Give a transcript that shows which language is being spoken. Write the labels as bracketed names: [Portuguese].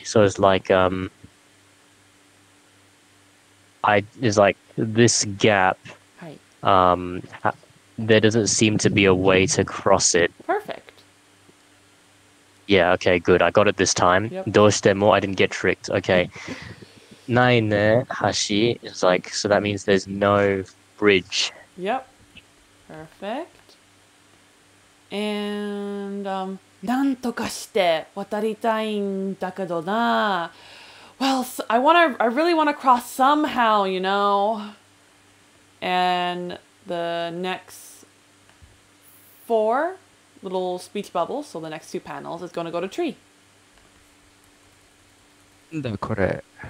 [English] So it's like this gap, there doesn't seem to be a way to cross it. Perfect. Yeah, okay, good. I got it this time. Yep. [Japanese] どうしても, [English] I didn't get tricked. Okay. [Japanese] ないね, hashi. [English] It's like, so that means there's no bridge. Yep. Perfect. [Japanese] And, なんとかして渡りたいんだけどな. [English] Well, I really want to cross somehow, you know? And the next four little speech bubbles, so the next two panels, is going to go to tree. [Japanese] Nanda kore?